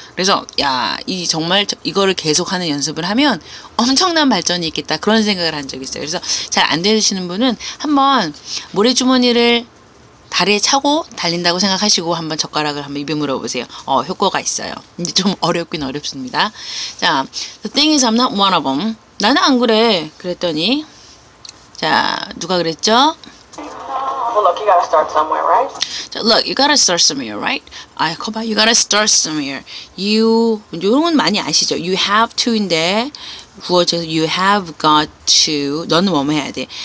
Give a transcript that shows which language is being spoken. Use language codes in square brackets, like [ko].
[ko] 그래서 야, 이 정말 이거를 계속하는 연습을 하면 엄청난 발전이 있겠다 그런 생각을 한 적이 있어요. 그래서 잘 안 되시는 분은 한번 모래 주머니를 다리에 차고 달린다고 생각하시고 한번 젓가락을 한번 입에 물어보세요. 효과가 있어요. 이제 좀 어렵긴 어렵습니다. [en] 자, the thing is I'm not one of them. [ko] 나는 안 그래. 그랬더니 자, 누가 그랬죠? [en] Well, look, you gotta start somewhere, right? So, look, you gotta start somewhere, right? You gotta start somewhere. [ko] You, 이런 건 많이 아시죠? [en] You have to [ko] 인데, 구어져서 [en] you have got to, [ko] 너는 뭐 해야 돼?